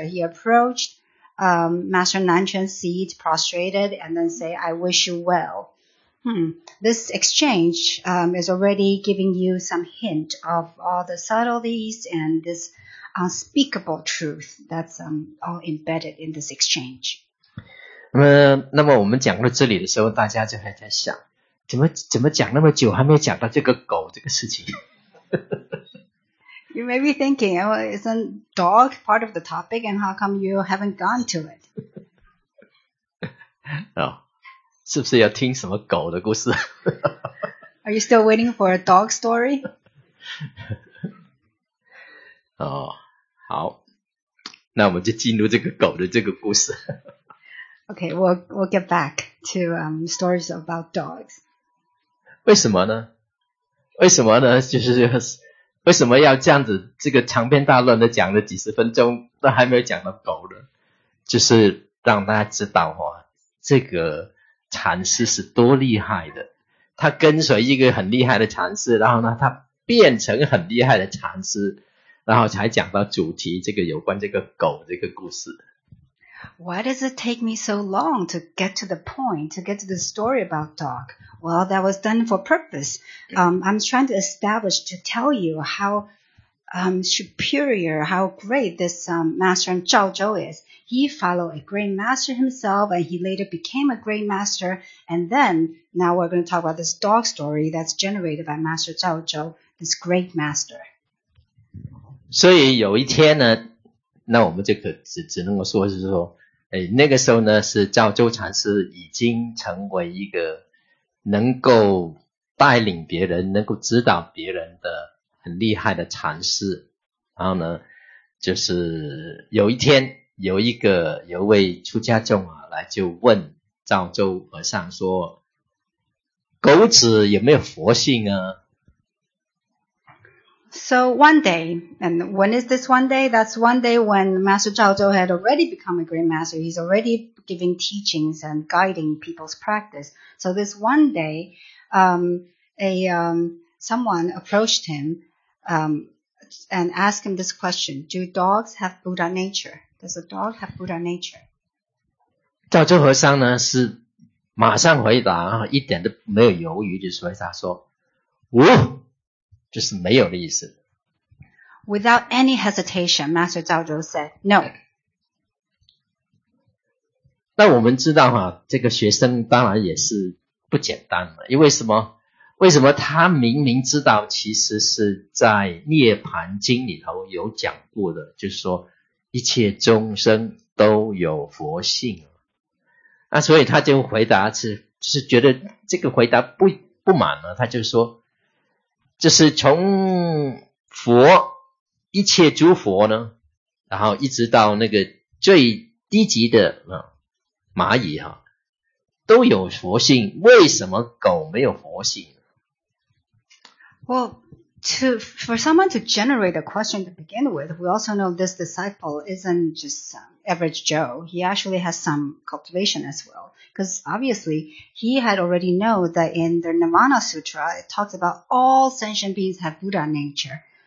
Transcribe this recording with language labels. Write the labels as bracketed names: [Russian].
[English] He approached,Master Nanquan seat prostrated and then say, I wish you well. This exchange, is already giving you some hint of all the subtleties and this unspeakable truth that's, all embedded in this exchange. [Chinese] 那么我们讲到这里的时候大家就还在想怎么讲那么久还没有讲到这个狗这个事情。 [English] You may be thinking, well, isn't dog part of the topic, and how come you haven't gone to it? [Chinese] 哦，是不是要听什么狗的故事？ [English] Are you still waiting for a dog story? [Chinese] 哦，好，那我们就进入这个狗的这个故事。 [English] Okay, we'll get back to stories about dogs. [Chinese] 为什么呢？为什么要这样子这个长篇大论的讲了几十分钟都还没有讲到狗呢就是让大家知道、哦、这个禅师是多厉害的，他跟随一个很厉害的禅师，然后呢他变成很厉害的禅师，然后才讲到主题，这个有关这个狗这个故事。 [English] Why does it take me so long to get to the point, to get to the story about dog? Well, that was done for purpose. I'm trying to establish, to tell you how superior, how great this master Zhao Zhou is. He followed a great master himself, and he later became a great master. And then, now we're going to talk about this dog story that's generated by Master Zhao Zhou, this great master. [Chinese] 所以有一天呢，那我们就可 只能够说是说，哎，那个时候呢是赵州禅师已经成为一个能够带领别人能够指导别人的很厉害的禅师，然后呢就是有一天有一位出家众啊来就问赵州和尚说，狗子有没有佛性啊？ [English] So one day, and when is this one day? That's one day when Master Zhao Zhou had already become a great master. He's already giving teachings and guiding people's practice. So this one day, someone approached him and asked him this question. Do dogs have Buddha nature? Does a dog have Buddha nature? [Chinese] 赵州和尚呢是马上回答，一点都没有犹豫，就是回答说，无。就是没有的意思。 [English] Without any hesitation, Master Zhao Zhou said, no. [Chinese] 那我们知道啊，这个学生当然也是不简单的，因为什么？为什么他明明知道其实是在涅槃经里头有讲过的，就是说一切众生都有佛性。那所以他就回答是，就是觉得这个回答不满了，他就说就是从佛一切诸佛呢，然后一直到那个最低级的蚂蚁哈，都有佛性，为什么狗没有佛性？ [English] Well, for someone to generate a question to begin with, we also know this disciple isn't just average Joe. He actually has some cultivation as well. Because obviously, he had already known that in the Nirvana Sutra, it talks about all sentient beings have Buddha nature.